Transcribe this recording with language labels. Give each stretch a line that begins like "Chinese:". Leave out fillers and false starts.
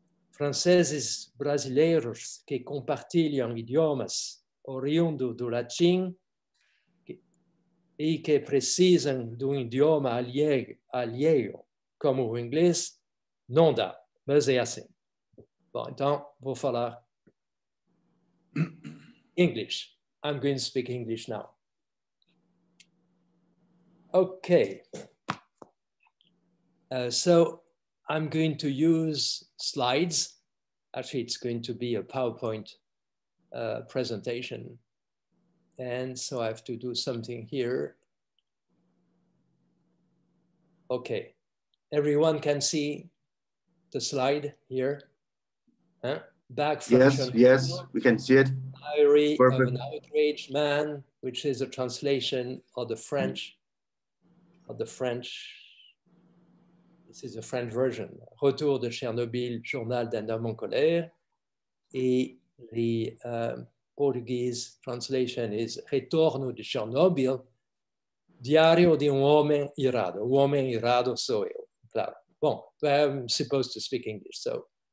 Portuguese: Franceses brasileiros que compartilham idiomas oriundo do latim e que precisam de um idioma alheio, como o inglês, não dá, mas é assim. Bom, então, vou falar
English: English. I'm going to speak English now. Okay. So I'm going to use slides. Actually, it's going to be a PowerPoint presentation. And so I have to do something here. Okay. Everyone can see the slide here. Back Yes, function. we can see it. Diary of an Perfect. outraged man, which is a translation of the French. Of the French. This is a French version.
French: Retour de Chernobyl, journal d'un homme en colère.
English: Et the Portuguese translation is
Portuguese: Retorno de Chernobyl, diario de um homem irado. O homem irado sou eu, claro.
English: Bom, I'm supposed to speak English, so.